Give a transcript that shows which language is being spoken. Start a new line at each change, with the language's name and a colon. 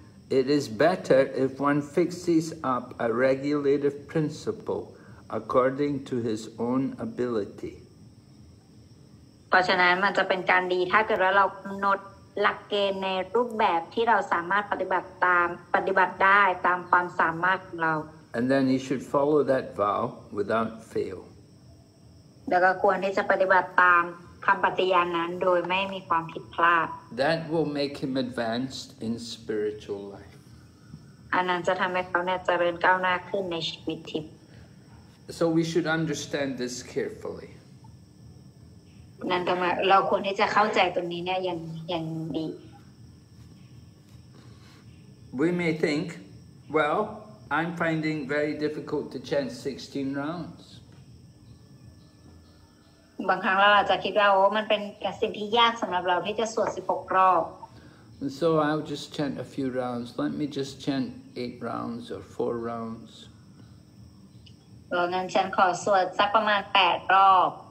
English: It is better if one fixes up a regulative principle according to his own ability.
Thai: เพราะฉะนั้นมันจะเป็นการดีถ้าเกิดว่าเรากำหนดหลักเกณฑ์ในรูปแบบที่เราสามารถปฏิบัติตามปฏิบัติได้ตามความสามารถของเรา
English: And then you should follow that vow without fail.
Thai: แล้วก็ควรที่จะปฏิบัติตามคำปฏิญาณนั้นโดยไม่มีความผิดพลาด
English: That will make him advanced in spiritual life.
Thai: อันนั้นจะทำให้เขาเนี่ยเจริญก้าวหน้าขึ้นในชีวิตทิพย์
English: So we should understand this carefully.
Thai: นั่นก็หมายเราควรที่จะเข้าใจตรงนี้เนี่ยยังดี
English: We may think well I'm finding very difficult to chant 16 rounds
Thai: บางครั้งเราอาจจะคิดว่าโอ้มันเป็นสิ่งที่ยากสำหรับเราที่จะสวด16รอบ
English: And so I'll just chant a few rounds let me just chant 8 rounds or 4 rounds
Thai: เรางั้นฉันขอสวดสักประมาณ8รอบ